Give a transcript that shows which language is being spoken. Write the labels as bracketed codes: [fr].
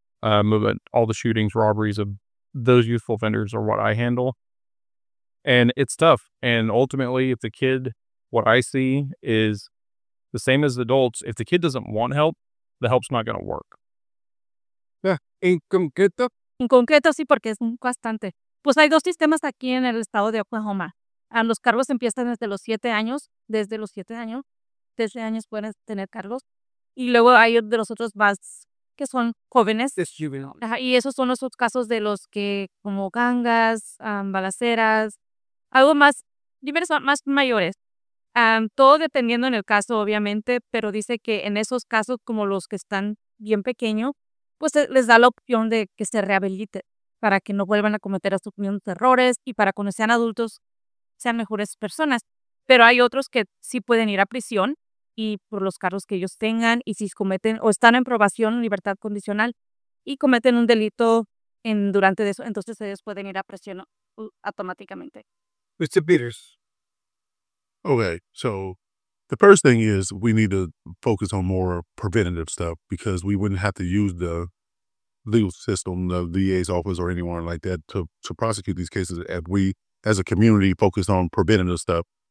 [en] But all the shootings, robberies of those youthful offenders are what I handle. And it's tough. And ultimately, if the kid, what I see is the same as adults, if the kid doesn't want help, the help's not going to work. [es] Yeah. Inconcreto. Inconcreto, sí, porque es bastante. Pues hay dos sistemas aquí en el estado de Oklahoma. Los cargos empiezan desde los 7 años. Desde los 7 años. 13 años pueden tener cargos. Y luego hay de los otros más que son jóvenes. Es juvenil. Y esos son los casos de los que como gangas, balaceras, algo más, diversos, más mayores. Todo dependiendo en el caso, obviamente, pero dice que en esos casos, como los que están bien pequeños, pues les da la opción de que se rehabilite para que no vuelvan a cometer estos mismos errores y para cuando sean adultos sean mejores personas. Pero hay otros que sí pueden ir a prisión y por los cargos que ellos tengan y si cometen o están en probación, libertad condicional, y cometen un delito en, durante eso, entonces ellos pueden ir a prisión automáticamente. [en] Mr. Peters. Okay, so the first thing is we need to focus on more preventative stuff because we wouldn't have to use the legal system, the DA's office or anyone like that to prosecute these cases if we, as a community, focused on preventative stuff.